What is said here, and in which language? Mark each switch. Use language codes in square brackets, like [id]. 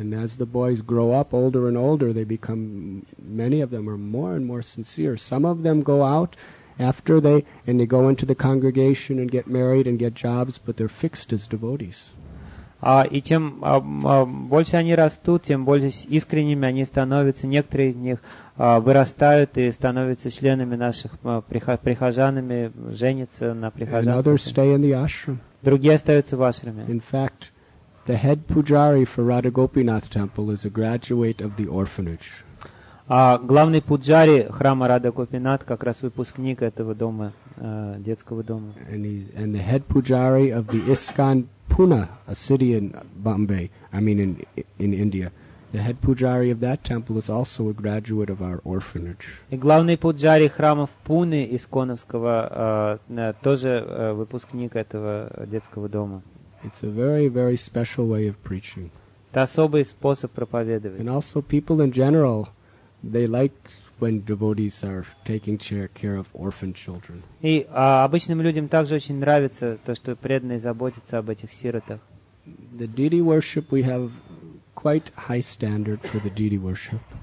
[en] And as the boys grow up older and older, they become, many of them are more and more sincere. Some of them go out after they go into the congregation and get married and get jobs, but they're fixed as devotees. [ru] И чем больше они растут, тем более искренними они становятся. Некоторые из них вырастают и становятся членами наших прихожанами, женятся на прихожанах. [en] And others stay in the ashram. [ru] Другие остаются в ашраме. [en] In fact, The head pujari for Radha Gopinath Temple is a graduate of the orphanage. [ru] А главный пуджари храма Радха Гопинат как раз выпускник этого дома, детского дома. [en] And the head pujari of the ISKCON Pune, a city in Bombay, I mean in India. The head pujari of that temple is also a graduate of our orphanage. [ru] И главный пуджари храма в Пуне ИСККОНовского тоже выпускник этого детского дома. [en] It's a very, very special way of preaching. [ru] Это особый способ проповедовать. [en] And also people in general, they like when devotees are taking care of orphan children. [ru] И обычным людям также очень нравится то, что преданные заботятся об этих сиротах. [en] The deity worship, we have quite high standard for the deity worship.